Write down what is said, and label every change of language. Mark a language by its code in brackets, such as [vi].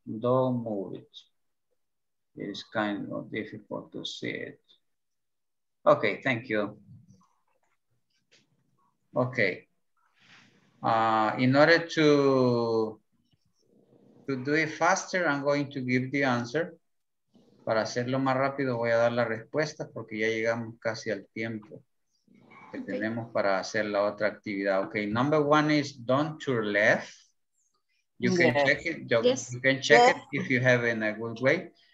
[en] Don't move it. It's kind of difficult to see it. Okay, thank you. Okay. In order to do it faster, I'm going to give the answer. [es] Para hacerlo más rápido, voy a dar la respuesta porque ya llegamos casi al tiempo que okay. Tenemos para hacer la otra actividad. [en] Okay, number one is don't turn left. You can check it if you have in a good way.